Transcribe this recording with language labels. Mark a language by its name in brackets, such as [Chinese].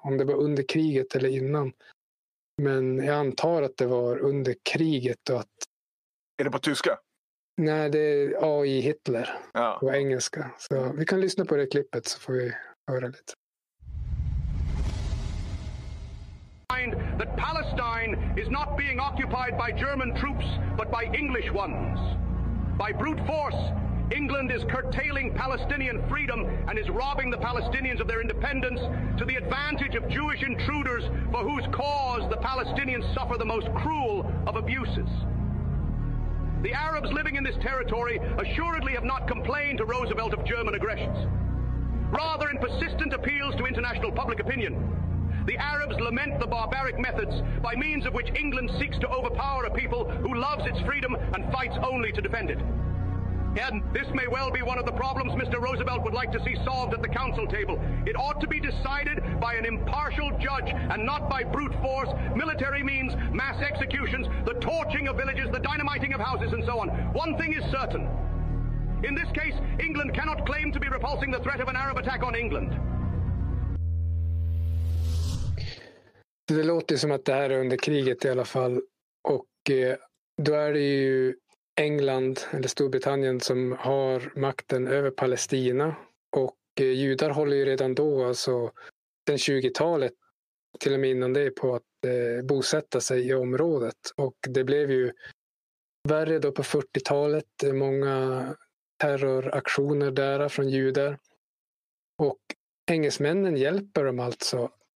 [Swedish] Om det var under kriget eller innan. Men jag antar att det var under kriget. Och att... Är det på tyska? Nej, det är AI Hitler på engelska. Så vi kan lyssna på det klippet så får vi höra lite. [English] That Palestine is not being occupied by German troops, but by English ones. By brute force, England is curtailing Palestinian freedom and is robbing the Palestinians of their independence to the advantage of Jewish intruders for whose cause the Palestinians suffer the most cruel of abuses. The Arabs living in this territory assuredly have not complained to Roosevelt of German aggressions. Rather, in persistent appeals to international public opinion, the Arabs lament the barbaric methods by means of which England seeks to overpower a people who loves its freedom and fights only to defend it. And this may well be one of the problems Mr. Roosevelt would like to see solved at the council table. It ought to be decided by an impartial judge and not by brute force, military means, mass executions, the torching of villages, the dynamiting of houses, and so on. One thing is certain. In this case, England cannot claim to be repulsing the threat of an Arab attack on England. [Swedish] Det låter som att det här är under kriget i alla fall. Och då är det ju... England eller Storbritannien som har makten över Palestina, och judar håller ju redan då, alltså den 20-talet till och med innan det, på att bosätta sig i området, och det blev ju värre då på 40-talet, många terroraktioner där från judar, och engelsmännen hjälper dem alltså